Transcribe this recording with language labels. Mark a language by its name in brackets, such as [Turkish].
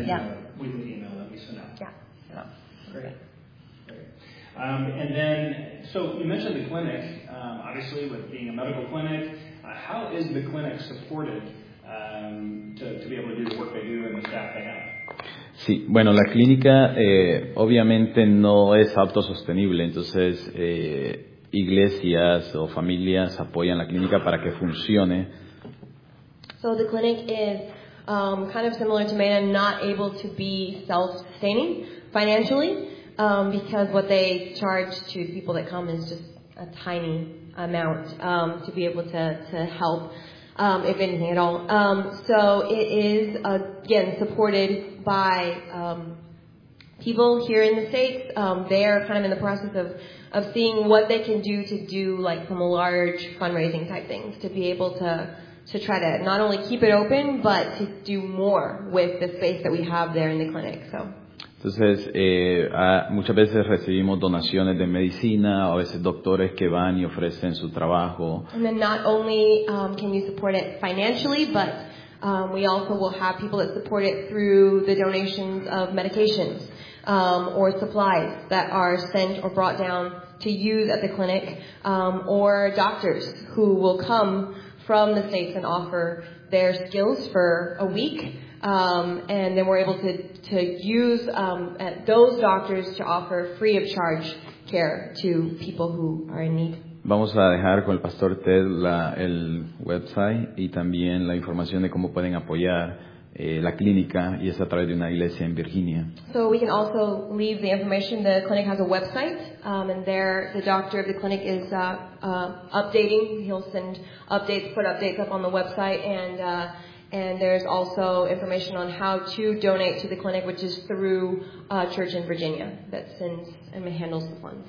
[English] Yeah. We can email them. We send out. Yeah. Send out. Great. And then, so you mentioned the clinic. Obviously, with being a medical clinic, how is the clinic supported to be able to do the work they do and the staff they have? [Spanish] Sí, bueno, la clínica obviamente no es autosostenible, entonces iglesias o familias apoyan la clínica para que funcione. [English] So the clinic is kind of similar to MEDA, not able to be self-sustaining financially because what they charge to people that come is just a tiny amount to be able to help. If anything at all. So it is, again, supported by people here in the States. They are kind of in the process of seeing what they can do, like, some large fundraising type things to be able to try to not only keep it open, but to do more with the space that we have there in the clinic. So. [Spanish] Entonces, muchas veces recibimos donaciones de medicina, o a veces doctores que van y ofrecen su trabajo. [English] And then not only can you support it financially, but we also will have people that support it through the donations of medications or supplies that are sent or brought down to use at the clinic, or doctors who will come from the States and offer their skills for a week. And then we're able to use those doctors to offer free of charge care to people who are in need. [Spanish] Vamos a dejar con el pastor Ted el website y también la información de cómo pueden apoyar la clínica, y es a través de una iglesia en Virginia. [English] So we can also leave the information. The clinic has a website, and there the doctor of the clinic is updating. He'll send updates, put updates up on the website, and there's also information on how to donate to the clinic, which is through a church in Virginia that sends and handles the funds.